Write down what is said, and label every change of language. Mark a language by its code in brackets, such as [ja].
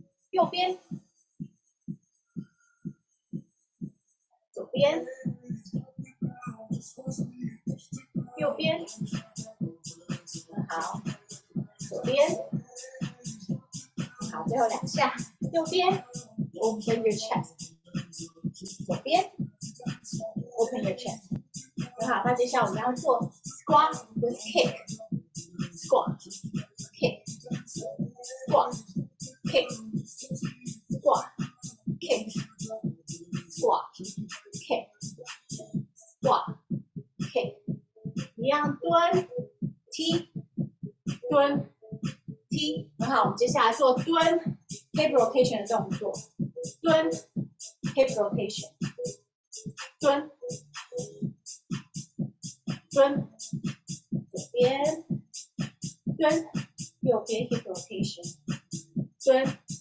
[zh] 右边，左边，右边，好，左边，好，最后两下，右边 ， [en] open your chest， [zh] 左边 ， [en] open your chest， [zh] 很好，那接下来我们要做 [en] squat with kick，squat kick， [zh] squat kick。 [en] Squat, kick, squat, kick, squat, kick. [zh] 一样蹲踢，蹲踢。很好，我们接下来做蹲 hip rotation 的动作。蹲 hip rotation， 蹲蹲左边，蹲右边 hip rotation， 蹲。